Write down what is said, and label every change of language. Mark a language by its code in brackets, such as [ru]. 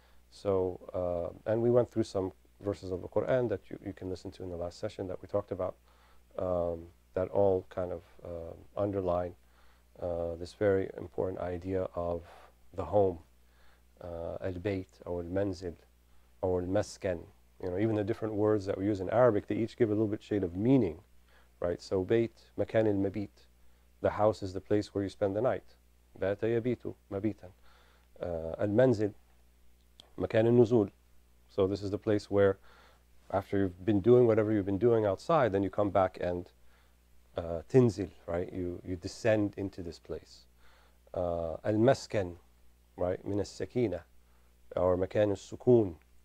[en] So, and we went through some verses of the Quran that you can listen to in the last session that we talked about, that all kind of underline this very important idea of the home, al-bayt, or al-manzil, or al-masken. You know, even the different words that we use in Arabic, they each give a little bit shade of meaning, right? So, bayt, makan al-mabit, the house is the place where you spend the night. [ar] بات يبيت مبيتا المنزل مكان النزول. [en] So this is the place where after you've been doing whatever you've been doing outside, then you come back and تنزل, right? You descend into this place. المسكن, right? [ar] من السكينة, [en] or [ar] مكان السكون.